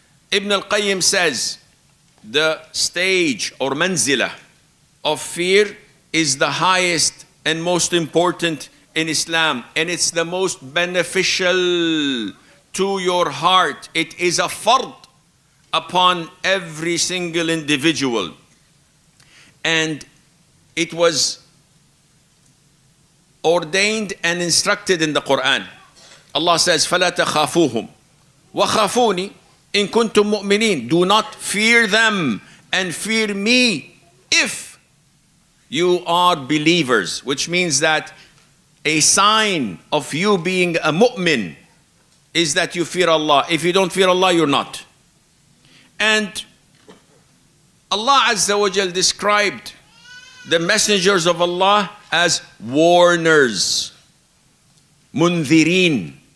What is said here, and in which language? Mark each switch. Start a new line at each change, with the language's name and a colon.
English: Ibn al-Qayyim says, the stage or manzila of fear is the highest and most important in Islam, and it's the most beneficial to your heart. It is a fard upon every single individual. And it was ordained and instructed in the Quran. Allah says,
Arabic: فَلَا تَخَافُوهُمْ وَخَافُونِي إِن كُنْتُم مُؤْمِنِينَ.
English: Do not fear them and fear me if you are believers, which means that a sign of you being a mu'min is that you fear Allah. If you don't fear Allah, you're not. And Allah Azza wa Jal described the messengers of Allah as warners, mundhirin.